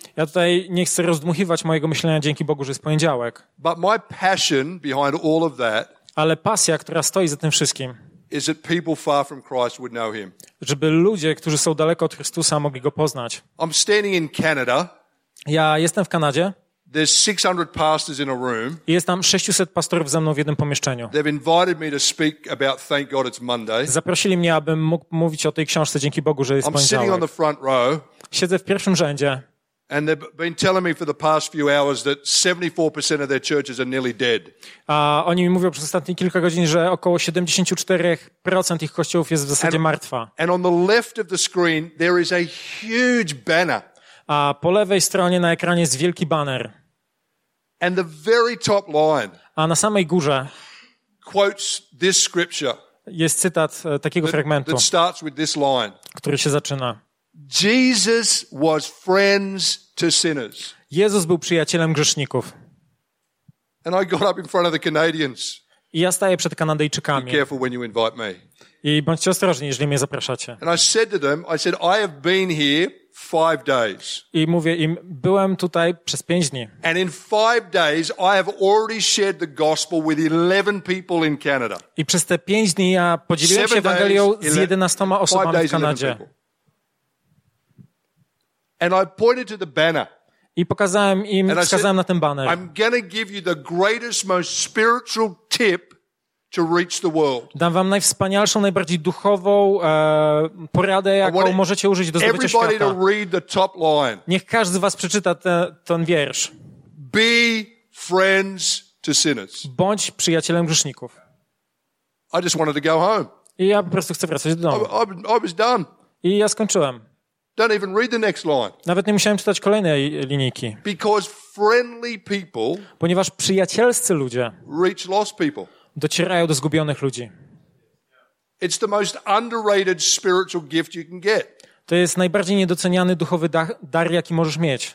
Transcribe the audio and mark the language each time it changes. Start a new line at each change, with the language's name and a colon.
Polish: Ja tutaj nie chcę rozdmuchiwać mojego myślenia dzięki Bogu, że jest poniedziałek.
English: But my passion behind all of that.
Polish: Ale pasja, która stoi za tym wszystkim.
English: Is that people far from Christ would know him.
Polish: Żeby ludzie, którzy są daleko od Chrystusa, mogli go poznać.
English: I'm standing in Canada.
Polish: Ja jestem w Kanadzie.
English: There's 600 pastors in a room.
Polish: Jest tam 600 pastorów ze mną w jednym pomieszczeniu.
English: They've invited me to speak about Thank God It's Monday.
Polish: Zaprosili mnie, abym mógł mówić o tej książce Dzięki Bogu, że jest poniedziałek.
English: I'm sitting on the front row.
Polish: Siedzę w pierwszym rzędzie.
English: And they've been telling me for the past few hours that 74% of their churches are nearly dead.
Polish: A oni mi mówią przez ostatnie kilka godzin, że około 74% ich kościołów jest w zasadzie martwa.
English: And on the left of the screen there is a huge banner.
Polish: A po lewej stronie na ekranie jest wielki baner.
English: And the very top line.
Polish: A na samej górze
English: quotes this scripture.
Polish: Jest cytat takiego fragmentu.
English: That starts with this line.
Polish: Który się zaczyna.
English: Jesus was friends to sinners.
Polish: Jezus był przyjacielem grzeszników.
English: And I got up in front of the Canadians.
Polish: I ja staję przed Kanadyjczykami.
English: Be careful when you invite me.
Polish: I bądźcie ostrożni, jeżeli mnie zapraszacie.
English: And I said to them, I said, I have been here 5 days.
Polish: I mówię im, byłem tutaj przez 5 dni.
English: And in 5 days, I have already shared the gospel with 11 people in Canada.
Polish: I przez te 5 dni ja podzieliłem się Ewangelią z 11 osobami w Kanadzie.
English: And I pointed to the banner.
Polish: I pokazałem im, wskazałem na ten baner.
English: I'm gonna give you the greatest, most spiritual tip to reach the world.
Polish: Dam wam najwspanialszą, najbardziej duchową poradę, jaką możecie użyć do zdobycia świata.
English: Everybody to read the top line.
Polish: Niech każdy z was przeczyta ten wiersz.
English: Be friends to sinners.
Polish: Bądź przyjacielem grzeszników.
English: I just wanted to go home.
Polish: I ja po prostu chcę wracać do domu.
English: I was done.
Polish: I ja skończyłem.
English: Don't even read the next line.
Polish: Nawet nie musiałem czytać kolejnej linijki.
English: Because friendly people,
Polish: ponieważ przyjacielscy ludzie,
English: reach lost people.
Polish: Docierają do zgubionych ludzi.
English: It's the most underrated spiritual gift you can get.
Polish: To jest najbardziej niedoceniany duchowy dar, jaki możesz mieć.